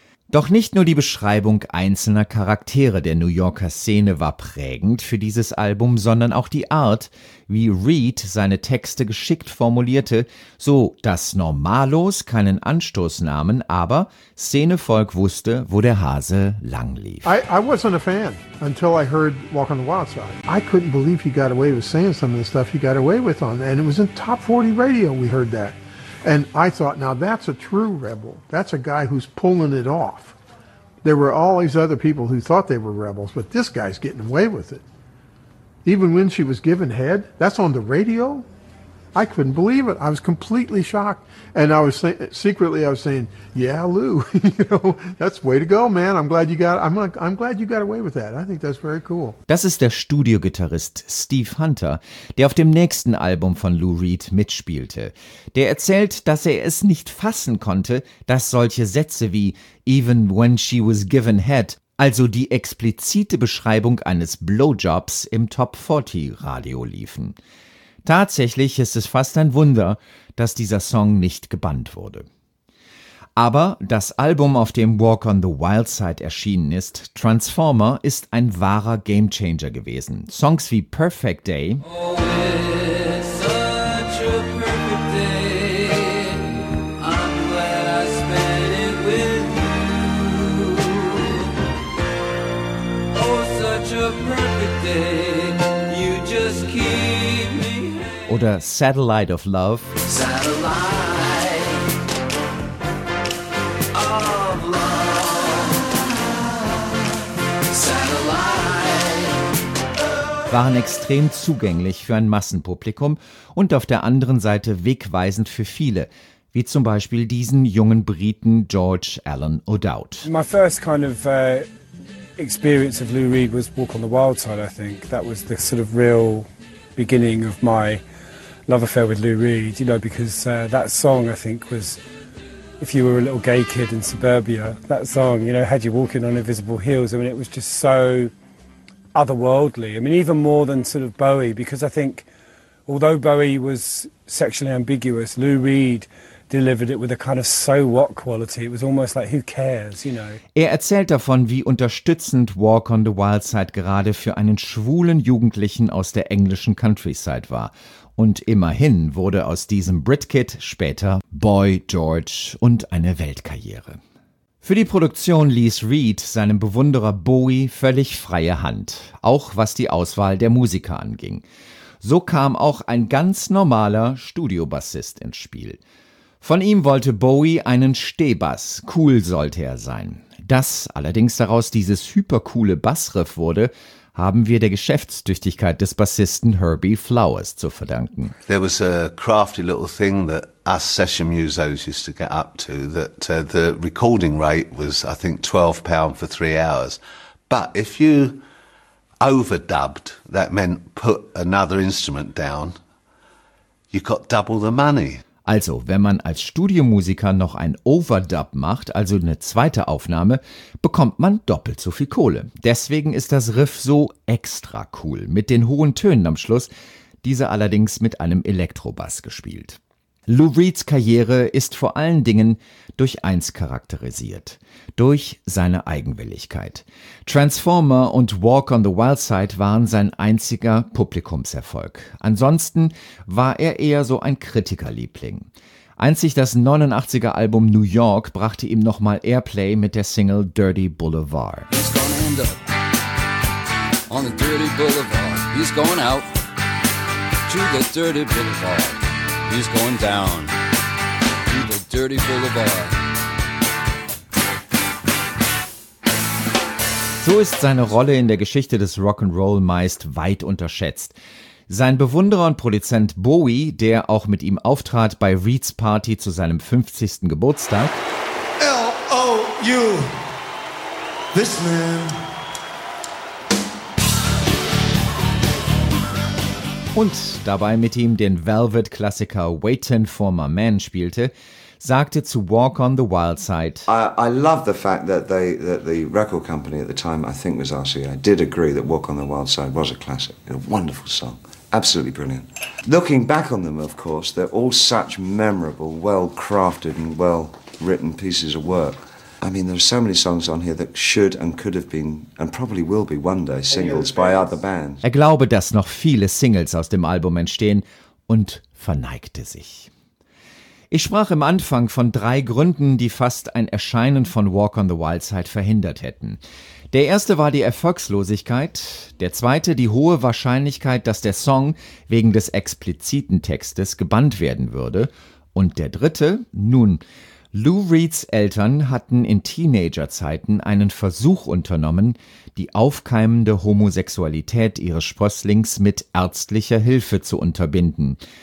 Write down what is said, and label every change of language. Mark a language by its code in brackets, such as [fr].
[de] Doch nicht nur die Beschreibung einzelner Charaktere der New Yorker Szene war prägend für dieses Album, sondern auch die Art, wie Reed seine Texte geschickt formulierte, so dass Normalos keinen Anstoß nahmen, aber Szenevolk wusste, wo der Hase lang lief. [en] I wasn't a fan until I heard Walk on the Wild Side. I couldn't believe he got away with saying some of the stuff he got away with on, and it was in Top 40 Radio we heard that. And I thought, now that's a true rebel. That's a guy who's pulling it off. There were all these other people who thought they were rebels, but this guy's getting away with it. Even when she was given head, that's on the radio? I couldn't believe it. I was completely shocked. And I was secretly, I was saying, yeah, Lou, you know, that's way to go, man. I'm glad you got away with that. I think that's very cool. [de] Das ist der Studiogitarrist Steve Hunter, der auf dem nächsten Album von Lou Reed mitspielte. Der erzählt, dass er es nicht fassen konnte, dass solche Sätze wie [en] even when she was given head, [de] also die explizite Beschreibung eines Blowjobs, im Top 40 Radio liefen. Tatsächlich ist es fast ein Wunder, dass dieser Song nicht gebannt wurde. Aber das Album, auf dem Walk on the Wild Side erschienen ist, Transformer, ist ein wahrer Gamechanger gewesen. Songs wie [en] Perfect Day, oh, it's such a perfect day. I'm glad I spent it with you. Oh, such a perfect day. You just keep me. [de] Oder Satellite of Love. Satellite of Love. [en] Satellite. [de] Waren extrem zugänglich für ein Massenpublikum und auf der anderen Seite wegweisend für viele, wie zum Beispiel diesen jungen Briten George Alan O'Dowd. [en] My first kind of experience of Lou Reed was Walk on the Wild Side, I think. That was the sort of real beginning of my love affair with Lou Reed, you know, because that song, I think, was, if you were a little gay kid in suburbia, that song, you know, had you walking on invisible heels. I mean, it was just so otherworldly. I mean, even more than sort of Bowie, because I think although Bowie was sexually ambiguous, Lou Reed delivered it with a kind of so what quality. It was almost like, who cares, you know. [de] Er erzählt davon, wie unterstützend Walk on the Wild Side gerade für einen schwulen Jugendlichen aus der englischen Countryside war. Und immerhin wurde aus diesem Britkid später Boy George und eine Weltkarriere. Für die Produktion ließ Reed seinem Bewunderer Bowie völlig freie Hand, auch was die Auswahl der Musiker anging. So kam auch ein ganz normaler Studiobassist ins Spiel. Von ihm wollte Bowie einen Stehbass, cool sollte er sein. Dass allerdings daraus dieses hypercoole Bassriff wurde, haben wir der Geschäftstüchtigkeit des Bassisten Herbie Flowers zu verdanken. [en] There was a crafty little thing that us session musos used to get up to, that the recording rate was, I think, £12 for 3 hours. But if you overdubbed, that meant put another instrument down, you got double the money. [de] Also, wenn man als Studiomusiker noch ein Overdub macht, also eine zweite Aufnahme, bekommt man doppelt so viel Kohle. Deswegen ist das Riff so extra cool, mit den hohen Tönen am Schluss, diese allerdings mit einem Elektrobass gespielt. Lou Reeds Karriere ist vor allen Dingen durch eins charakterisiert, durch seine Eigenwilligkeit. Transformer und Walk on the Wild Side waren sein einziger Publikumserfolg. Ansonsten war er eher so ein Kritikerliebling. Einzig das 89er Album New York brachte ihm nochmal Airplay mit der Single Dirty Boulevard. [en] He's gonna end up on the dirty boulevard. He's going out to the dirty boulevard. He's going down to the dirty boulevard. [de] So ist seine Rolle in der Geschichte des Rock'n'Roll meist weit unterschätzt. Sein Bewunderer und Produzent Bowie, der auch mit ihm auftrat bei Reeds Party zu seinem 50. Geburtstag. [en] L-O-U, this man. [de] Und dabei mit ihm den Velvet-Klassiker Waitin' for My Man spielte, sagte zu Walk on the Wild Side: [en] I love the fact that the record company at the time, I think was RCA, did agree that Walk on the Wild Side was a classic, a wonderful song, absolutely brilliant. Looking back on them, of course, they're all such memorable, well-crafted and well-written pieces of work. I mean, there are so many songs on here that should and could have been and probably will be one day singles by other bands. [de] Er glaube, dass noch viele Singles aus dem Album entstehen, und verneigte sich. Ich sprach im Anfang von drei Gründen, die fast ein Erscheinen von Walk on the Wild Side verhindert hätten. Der erste war die Erfolgslosigkeit, der zweite die hohe Wahrscheinlichkeit, dass der Song wegen des expliziten Textes gebannt werden würde, und der dritte, nun, Lou Reeds Eltern hatten in Teenagerzeiten einen Versuch unternommen, die aufkeimende Homosexualität ihres Sprösslings mit ärztlicher Hilfe zu unterbinden.